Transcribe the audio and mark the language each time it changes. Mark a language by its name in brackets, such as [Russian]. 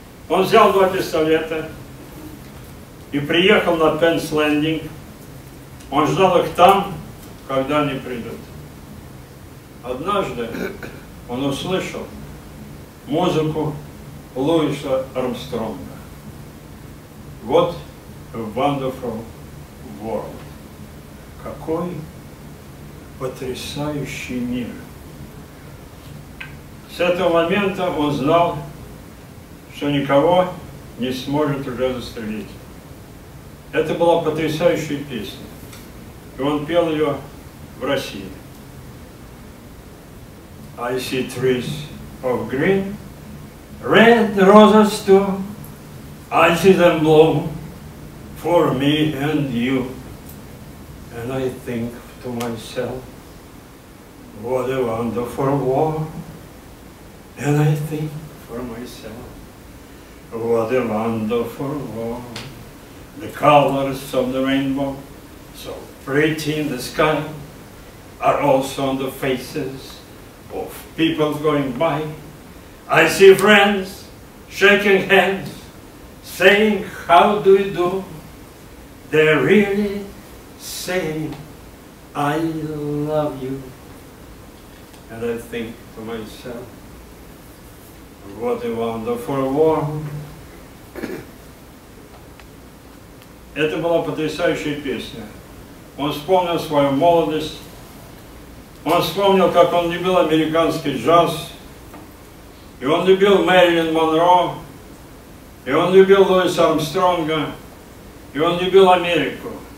[Russian] Он взял два пистолета и приехал на Пенс-Лендинг. Он ждал их там, когда они придут. Однажды он услышал музыку Луиса Армстронга. Вот A Wonderful World. Какой потрясающий мир. С этого момента он знал, что никого не сможет уже застрелить. Это была потрясающая песня. И он пел ее в России. [English] I see trees of green, red roses too, I see them bloom for me and you, and I think to myself, what a wonderful world, and I think for myself, what a wonderful world, the colors of the rainbow, so pretty in the sky, are also on the faces of people going by. I see friends shaking hands, saying, how do you do? They're really saying, I love you. And I think to myself, what a wonderful world. [Russian] Это была потрясающая песня. Он вспомнил свою молодость. Он вспомнил, как он любил американский джаз. И он любил Мэрилин Монро. И он любил Луиса Армстронга. И он любил Америку.